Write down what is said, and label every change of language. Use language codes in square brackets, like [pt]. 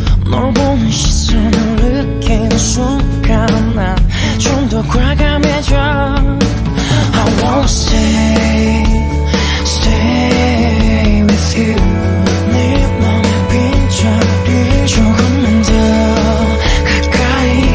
[ko] 널 보는 시선을 느낀 순간 난 좀 더 과감해져. [en] I won't stay, stay with you. [ko] 네 맘의 빈자리 조금만 더 가까이.